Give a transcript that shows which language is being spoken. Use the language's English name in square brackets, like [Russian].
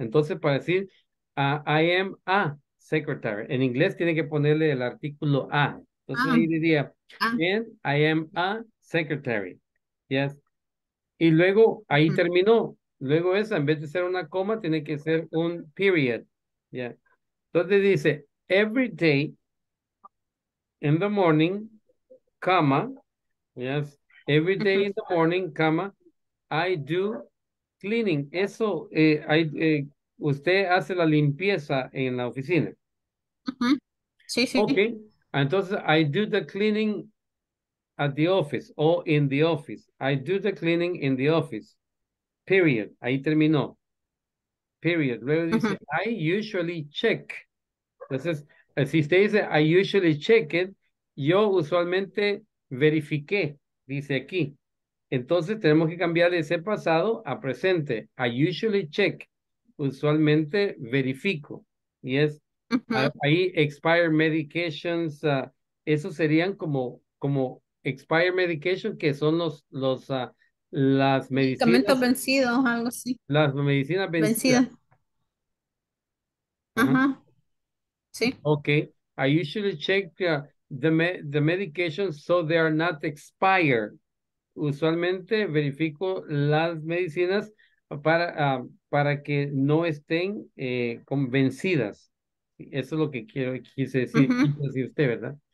[Spanish] Entonces, para decir, [English] I am a secretary. [Spanish] En inglés tiene que ponerle el artículo a. Entonces, ahí diría, [English] and I am a secretary. [Spanish] Yes. Y luego, ahí terminó. Luego esa, en vez de ser una coma, tiene que ser un period. Yeah. Entonces dice, [English] every day in the morning, comma, yes, every day in the morning, comma, I do cleaning. [Spanish] Eso, usted hace la limpieza en la oficina. Sí, sí. [English] Ok, entonces I do the cleaning at the office or in the office. I do the cleaning in the office. Period. [Spanish] Ahí terminó. [English] period. [Spanish] Luego dice, [English] I usually check. [Spanish] Entonces, si usted dice, [English] I usually check it, [Spanish] yo usualmente verifiqué, dice aquí. Entonces, tenemos que cambiar ese pasado a presente. [English] I usually check. [Spanish] Usualmente verifico. Y es, ahí [English] expire medications, [Spanish] esos serían como [English] expire medication, [Spanish] que son los las medicinas. Medicamentos vencidos, algo así. Las medicinas vencidas. Ajá. Uh-huh. Sí. [English] Ok. I usually check the medications so they are not expired. [Spanish] Usualmente verifico las medicinas para que no estén vencidas. Eso es lo que quise decir, usted, ¿verdad?